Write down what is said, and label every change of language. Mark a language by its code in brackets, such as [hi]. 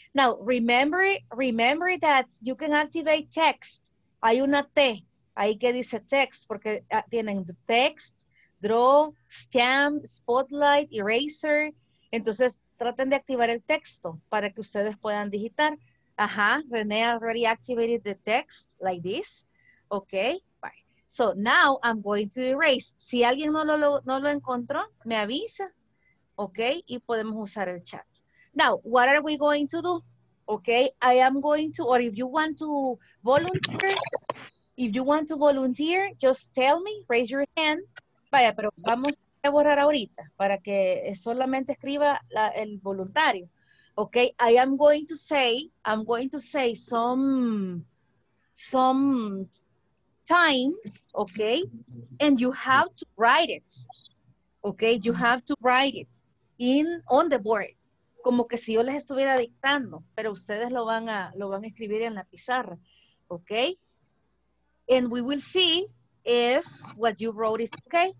[en] Now, remember that you can activate text. [es] Hay una T. Ahí que dice text, porque tienen text, draw, stamp, spotlight, eraser. Entonces, traten de activar el texto para que ustedes puedan digitar. [en] Ajá, René already activated the text like this. Ok, bye. So, now I'm going to erase. [es] Si alguien no lo encontró, me avisa. Ok, y podemos usar el chat. [en] Now, what are we going to do? Ok, I am going to, or if you want to volunteer... If you want to volunteer, just tell me, raise your hand. [es] Vaya, pero vamos a borrar ahorita para que solamente escriba el voluntario. [en] Okay, I am going to say, some times, okay? And you have to write it, okay? You have to write it on the board. [es] Como que si yo les estuviera dictando, pero ustedes lo van a escribir en la pizarra, okay? [en] And we will see if what you wrote is okay.